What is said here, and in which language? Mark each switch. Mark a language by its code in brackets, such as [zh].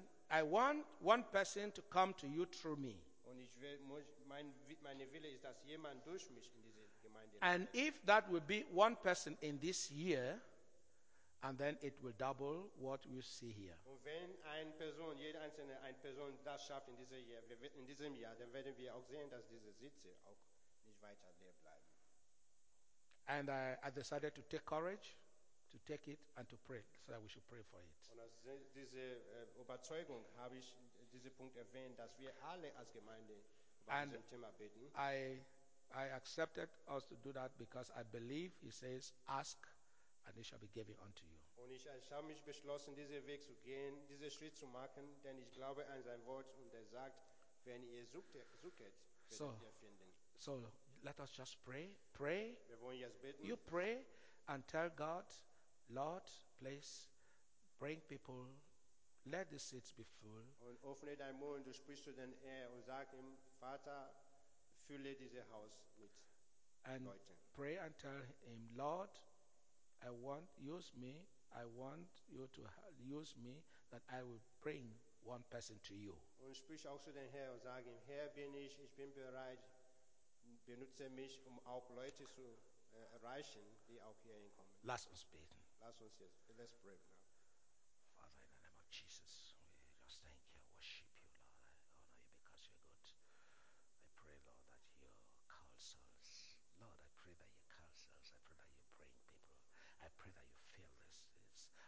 [en] I want one person to come to you through me. [de] Und ich will, meine Wille ist, dass jemand durch mich in diese Gemeinde. [en] And [de] leitet. [en] If that will be one person in this year, and then it will double what we see here. [de] Und wenn eine Person, jede einzelne eine Person das schafft in diesem Jahr, dann werden wir auch sehen, dass diese Sitze auch nicht weiter leer bleiben. [en] And I decided to take courage, to take it and to pray, so that we should pray for it. [de] Und aus dieser Überzeugung habe ich diesen Punkt erwähnt, dass wir alle als Gemeinde über diesem Thema beten. [en] I accepted us to do that because I believe he says, ask. And it shall be given unto you. [de] Und ich habe mich beschlossen, diesen Weg zu gehen, diesen Schritt zu machen, denn ich glaube an sein Wort und er sagt, wenn ihr sucht, werdet ihr finden. [en] So, let us just pray. Pray. [de] Wir wollen jetzt beten. [en] You pray and tell God, Lord, please bring people, let the seats be full. [de] Und öffne dein Mund, du sprichst zu den Herrn und sag ihm, Vater, fülle dieses Haus mit and Leuten. [en] And pray and tell him, Lord, I want, use me, I want you to use me, that I will bring one person to you. [de] Und sprich auch zu den Herrn und sag ihm, Herr bin ich, ich bin bereit, benutze mich, um auch Leute zu erreichen, die auch hier hinkommen. Lass uns beten. Lass uns jetzt, [en] let's pray now. Father, in the name of Jesus, we just thank you, worship you, Lord. I honor you because you're good. I pray, Lord, that you counsel us. Lord, I pray that you counsel us. I pray that you bring people. I pray that you fill the seats.